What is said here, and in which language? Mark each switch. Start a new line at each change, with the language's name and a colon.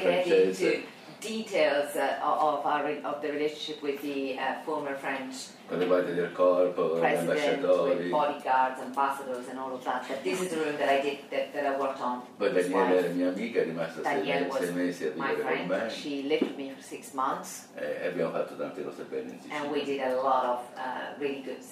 English: get into details of the relationship with the former French
Italian: con le guardie del corpo, con gli ambasciatori,
English: with bodyguards, ambassadors and all of that. But this is the room that I did, that I worked on.
Italian: Poi Daniela era mia amica, è rimasta sei mesi a vivere con me.
English: She lived with me for 6 months.
Italian: E abbiamo fatto tante cose belle in Sicilia.
English: And we did a lot of really good things.